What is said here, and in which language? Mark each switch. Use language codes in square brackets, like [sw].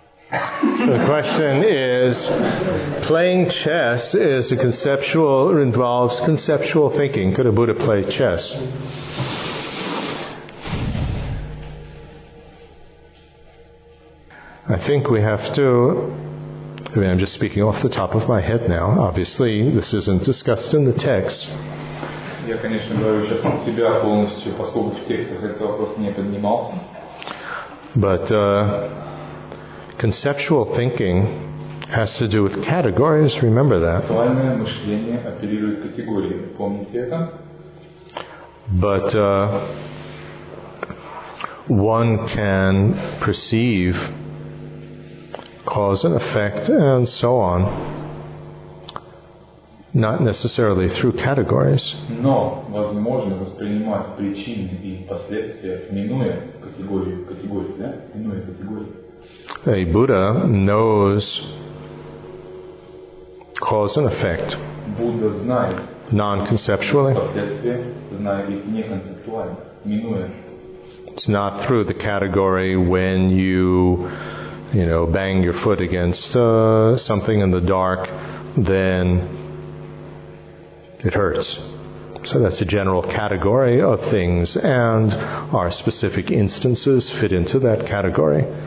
[en] The question is, playing chess is a conceptual, involves conceptual thinking. Could a Buddha play chess? I think we have to, I mean, I'm just speaking off the top of my head now, obviously this isn't discussed in the text. [ru] Я, конечно, говорю сейчас от себя полностью, поскольку в текстах этот вопрос не поднимался. [en] But conceptual thinking has to do with categories, remember that. [ru] Концептуальное мышление оперирует категориями, помните это? [en] But one can perceive cause and effect and so on, not necessarily through categories. [ru] Но возможно воспринимать причины и последствия, минуя категорию, минуя категорию. [en] A Buddha knows cause and effect. [ru] Buddha знает. [en] Non-conceptually. [ru] Последствия знает их не концептуально, минуя. [en] It's not through the category when you, you know, bang your foot against something in the dark, then it hurts. So that's a general category of things, and our specific instances fit into that category.